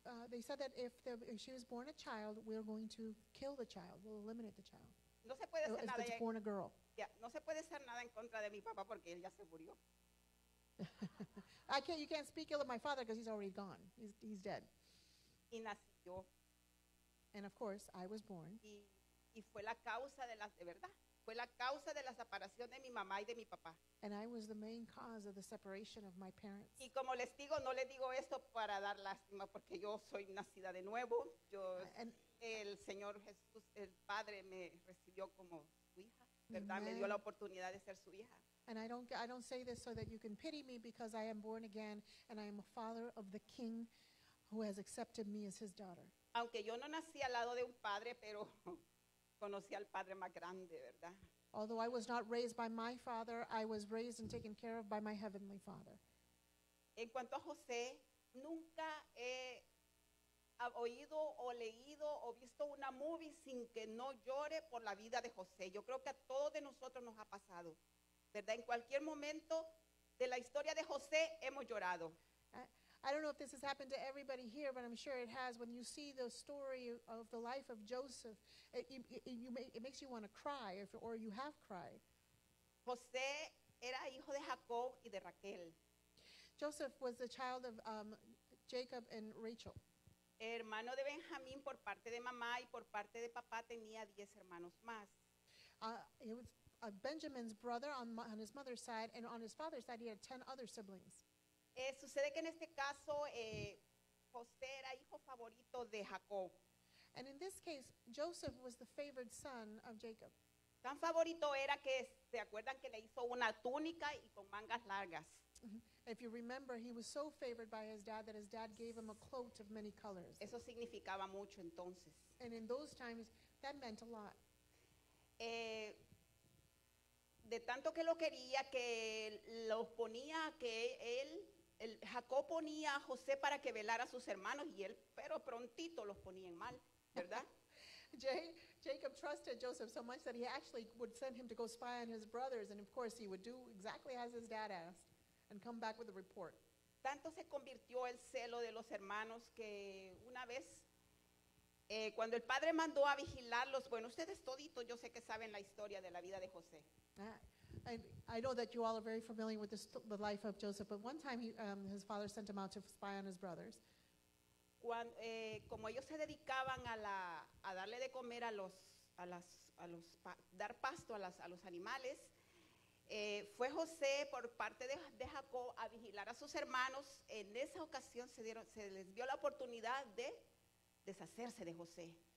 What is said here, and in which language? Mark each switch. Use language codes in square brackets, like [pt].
[en] They said that if she was born a child, we're going to kill the child. We'll eliminate the child. [es] No se puede hacer nada. [en] If it's born a girl. [es] Yeah, no se puede hacer nada en contra de mi papá porque él ya se murió. [en] You can't speak ill of my father because he's already gone. He's dead. [es] Y nació. [en] And of course, I was born. [es] Y fue la causa de verdad. Fue la causa de la separación de mi mamá y de mi papá. [en] And I was the main cause of the separation of my parents. [es] Y como les digo, no les digo esto para dar lástima porque yo soy nacida de nuevo. El Señor Jesús, el Padre, me recibió como su hija, ¿verdad? Me dio la oportunidad de ser su hija. [en] And I don't say this so that you can pity me because I am born again and I am a father of the King who has accepted me as his daughter. [es] Aunque yo no nací al lado de un padre, pero conocí al padre más grande, ¿verdad? [en] Although I was not raised by my father, I was raised and taken care of by my heavenly father. [es] En cuanto a José, nunca ha oído o leído o visto una movie sin que no llore por la vida de José. Yo creo que a todos de nosotros nos ha pasado, ¿verdad? En cualquier momento de la historia de José hemos llorado. [en] I don't know if this has happened to everybody here, but I'm sure it has. When you see the story of the life of Joseph, it makes you want to cry, or you have cried. [es] José era hijo de Jacob y de Raquel. [en] Joseph was the child of Jacob and Rachel. [es] Hermano de Benjamín por parte de mamá y por parte de papá tenía 10 hermanos más. [en] He was Benjamin's brother on his mother's side, and on his father's side he had 10 other siblings. [es] Sucede que en este caso José era hijo favorito de Jacob. [en] And in this case, Joseph was the favored son of Jacob. [es] Tan favorito era que se acuerdan que le hizo una túnica y con mangas largas. [en] If you remember, he was so favored by his dad that his dad gave him a cloak of many colors. [es] Eso significaba mucho entonces. [en] And in those times, that meant a lot. [es] De tanto que lo quería, que lo ponía, que él, el Jacob ponía a José para que velara a sus hermanos y él, pero prontito los ponía en mal, ¿verdad? [en] Jacob trusted Joseph so much that he actually would send him to go spy on his brothers, and of course he would do exactly as his dad asked and come back with a report. [es] Tanto se convirtió el celo de los hermanos que una vez, cuando el padre mandó a vigilarlos, bueno, ustedes toditos yo sé que saben la historia de la vida de José. [en] I know that you all are very familiar with the life of Joseph, but one time his father sent him out to spy on his brothers. [es] Como ellos se dedicaban a darle de comer dar pasto a los animales, fue José por parte de Jacob a vigilar a sus hermanos. En esa ocasión se les dio la oportunidad de deshacerse de José.